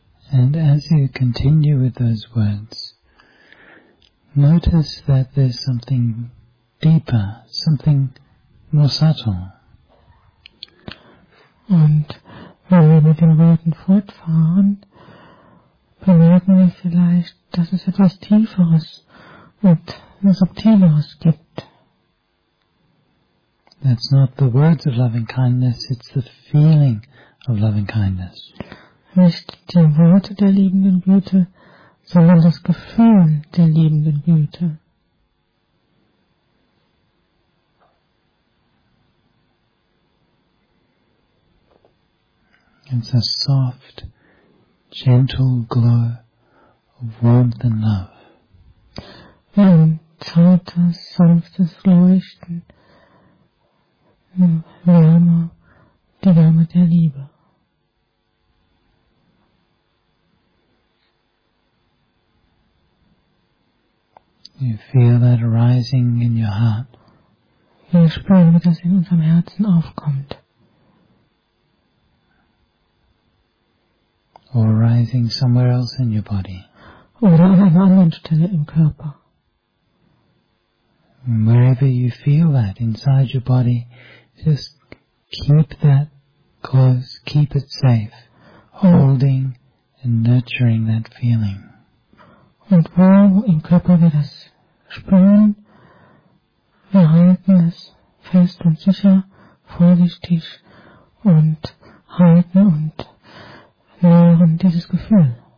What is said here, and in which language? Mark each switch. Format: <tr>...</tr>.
<en>And as you continue with those words, notice that there's something deeper, something more subtle.</en> <de>Und wenn wir mit den Worten fortfahren, bemerken wir vielleicht, dass es etwas Tieferes und Subtileres gibt.</de> <en>That's not the words of loving kindness, it's the feeling of loving kindness.</en> <de>Nicht die Worte der liebenden Güte, sondern das Gefühl der liebenden Güte.</de> <en>It's a soft, gentle glow of warmth and love.</en> <de>Ein zartes, sanftes Leuchten, Wärme, die Wärme der Liebe.</de> <en>You feel that rising in your heart.</en> <de>Wir spüren, wie das in unserem Herzen aufkommt.</de> <en>Or rising somewhere else in your body.</en> <de>Oder an einer anderen Stelle im Körper.</de> <en>Wherever you feel that inside your body, just keep that close, keep it safe, holding and nurturing that feeling.</en> <de>Und wo im Körper wir das spüren, wir halten es fest und sicher, vorsichtig und halten und nähren dieses Gefühl.</de>